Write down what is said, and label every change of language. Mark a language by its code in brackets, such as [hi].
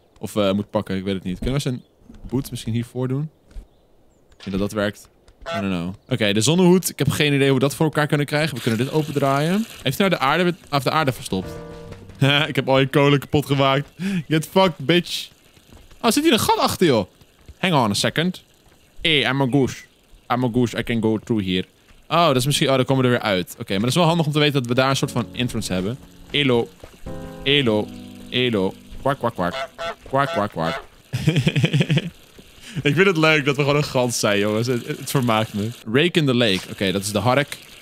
[nl] Of moet pakken, ik weet het niet. Kunnen we zijn boot misschien hiervoor doen? Ik denk dat werkt. [en] I don't know. [nl] Oké, de zonnehoed. Ik heb geen idee hoe we dat voor elkaar kunnen krijgen. We kunnen dit opendraaien. Heeft hij nou de aarde verstopt? Ik heb al je kolen kapot gemaakt. [en] Get fucked, bitch. [nl] Oh, zit hier een gat achter, joh. [en] Hang on a second. Hey, I'm a goose. I can go through here. [nl] Oh, dat is misschien... Oh, dan komen we er weer uit. Oké, maar dat is wel handig om te weten dat we daar een soort van entrance hebben. Elo. Elo. Elo. Kwak, kwak, kwak. Kwak, kwak, kwak. Ik vind het leuk dat we gewoon een gans zijn, jongens. Het vermaakt me. [en] Rake in the lake. [nl] Oké, dat is de hark.